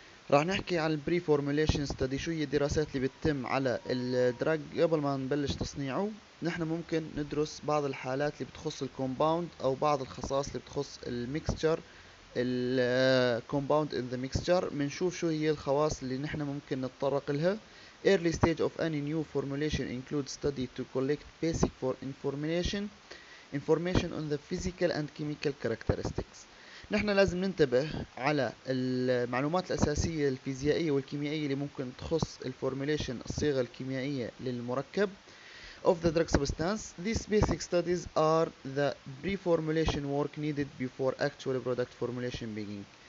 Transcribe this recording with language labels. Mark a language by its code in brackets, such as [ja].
[ar] رح نحكي عن البري فورموليشن ستدي، شو هي الدراسات اللي بتتم على الدراج قبل ما نبلش تصنيعه. نحن ممكن ندرس بعض الحالات اللي بتخص الكومباوند أو بعض الخصائص اللي بتخص الميكستشر الكومباوند [en] in the mixture, [ar] بنشوف شو هي الخواص اللي نحن ممكن نتطرق لها. [en] Early stage of any new formulation includes study to collect basic for information on the physical and chemical characteristics. [ar] نحن لازم ننتبه على المعلومات الأساسية الفيزيائية والكيميائية اللي ممكن تخص الformulation، الصيغة الكيميائية للمركب [en] of the drug substance. These basic studies are the pre-formulation work needed before actual product formulation beginning.